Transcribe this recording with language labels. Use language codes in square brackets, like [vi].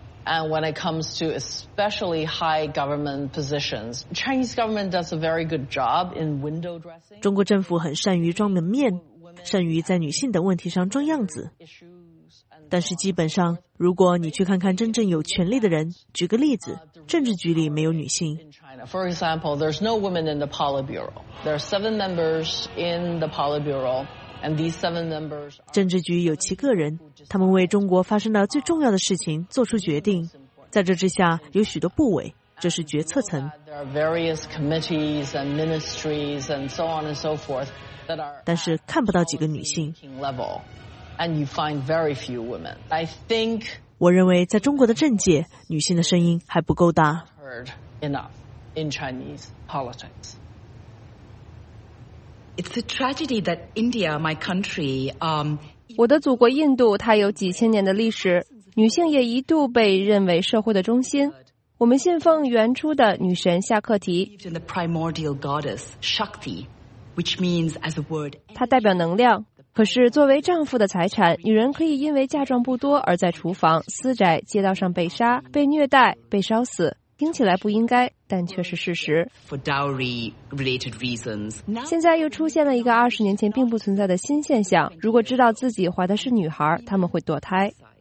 [en] And when it comes to especially high government positions, Chinese government does a very good job in window dressing. [zh] 中国政府很善于装门面，善于在女性等问题上装样子。但是基本上，如果你去看看真正有权力的人，举个例子，政治局里没有女性。 [en] For example, there's no women in the Politburo. There are 7 members in the Politburo. And these 7 members, [zh] 政治局有七个人，他们为中国发生的最重要的事情做出决定。在这之下，有许多部委，这是决策层。 [en] There are various committees and ministries and so on and so forth that are. [zh] 但是看不到几个女性。 [en] And you find very few women. I think. [zh] 我认为在中国的政界，女性的声音还不够大。 [en] Heard enough in Chinese politics. It's a tragedy that India, my country, [zh] 我的祖国印度，它有几千年的历史，女性也一度被认为社会的中心。我们信奉原初的女神夏克提 [en] ，the primordial goddess Shakti, which means as a word, [zh] 它代表能量。可是作为丈夫的财产，女人可以因为嫁妆不多而在厨房、私宅、街道上被杀、被虐待、被烧死。听起来不应该，但却是事实。 [en] For dowry related reasons. [zh] 现在又出现了一个20年前并不存在的新现象，如果知道自己怀的是女孩，他们会堕胎。